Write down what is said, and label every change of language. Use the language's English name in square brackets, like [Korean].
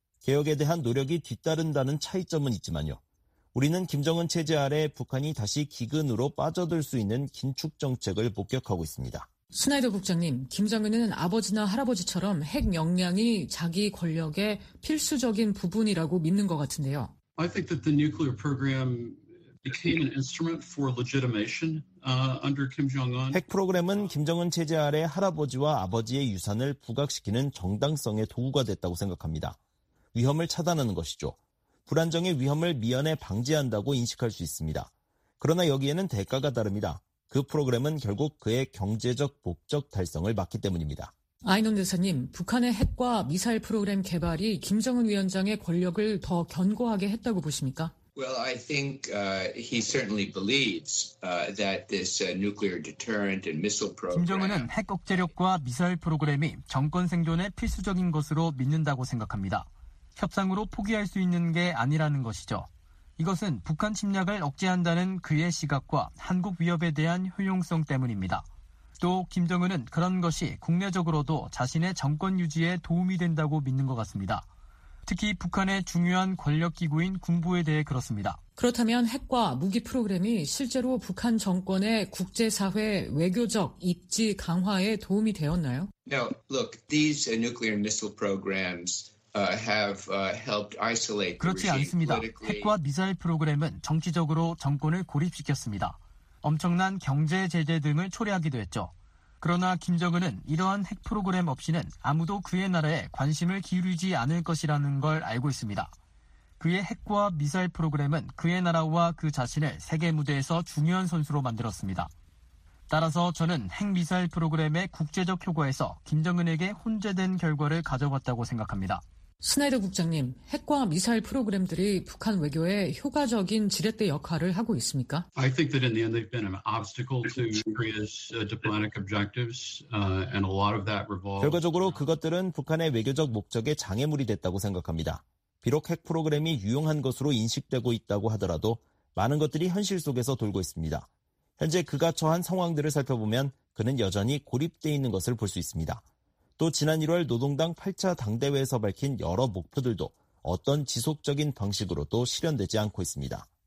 [Korean] 개혁에 대한 노력이 뒤따른다는 차이점은 있지만요. 우리는 김정은 체제 아래 북한이 다시 기근으로 빠져들 수 있는 긴축 정책을 목격하고 있습니다. 스나이더 국장님, 김정은은 아버지나 할아버지처럼 핵 역량이 자기 권력의 필수적인 부분이라고 믿는 것 같은데요. [English] I think that the nuclear program became an instrument for legitimation. Under Kim Jong-un. [Korean] 핵 프로그램은 김정은 체제 아래 할아버지와 아버지의 유산을 부각시키는 정당성의 도구가 됐다고 생각합니다. 위험을 차단하는 것이죠. 불안정의 위험을 미연에 방지한다고 인식할 수 있습니다. 그러나 여기에는 대가가 다릅니다. 그 프로그램은 결국 그의 경제적 목적 달성을 막기 때문입니다. 아이논 대사님, 북한의 핵과 미사일 프로그램 개발이 김정은 위원장의 권력을 더 견고하게 했다고 보십니까? [English] Well, I think he certainly believes that this nuclear deterrent and missile program. [Korean] 김정은은 핵 억제력과 미사일 프로그램이 정권 생존에 필수적인 것으로 믿는다고 생각합니다. 협상으로 포기할 수 있는 게 아니라는 것이죠. 이것은 북한 침략을 억제한다는 그의 시각과 한국 위협에 대한 효용성 때문입니다. 또 김정은은 그런 것이 국내적으로도 자신의 정권 유지에 도움이 된다고 믿는 것 같습니다. 특히 북한의 중요한 권력기구인 군부에 대해 그렇습니다. 그렇다면 핵과 무기 프로그램이 실제로 북한 정권의 국제사회 외교적 입지 강화에 도움이 되었나요? [English] Now, look, these nuclear missile programs have helped isolate. [Korean] 그렇지 않습니다. 핵과 미사일 프로그램은 정치적으로 정권을 고립시켰습니다. 엄청난 경제 제재 등을 초래하기도 했죠. 그러나 김정은은 이러한 핵 프로그램 없이는 아무도 그의 나라에 관심을 기울이지 않을 것이라는 걸 알고 있습니다. 그의 핵과 미사일 프로그램은 그의 나라와 그 자신을 세계 무대에서 중요한 선수로 만들었습니다. 따라서 저는 핵미사일 프로그램의 국제적 효과에서 김정은에게 혼재된 결과를 가져왔다고 생각합니다. 스나이더 국장님, 핵과 미사일 프로그램들이 북한 외교에 효과적인 지렛대 역할을 하고 있습니까? [English] I think that in the end they've been an obstacle to Korea's diplomatic objectives, and a lot of that revolves. [Korean] 결과적으로 그것들은 북한의 외교적 목적에 장애물이 됐다고 생각합니다. 비록 핵 프로그램이 유용한 것으로 인식되고 있다고 하더라도 많은 것들이 현실 속에서 돌고 있습니다. 현재 그가 처한 상황들을 살펴보면 그는 여전히 고립되어 있는 것을 볼 수 있습니다. 또 지난 1월 노동당 8차 당대회에서 밝힌 여러 목표들도 어떤 지속적인 방식으로도 실현되지 않고 있습니다.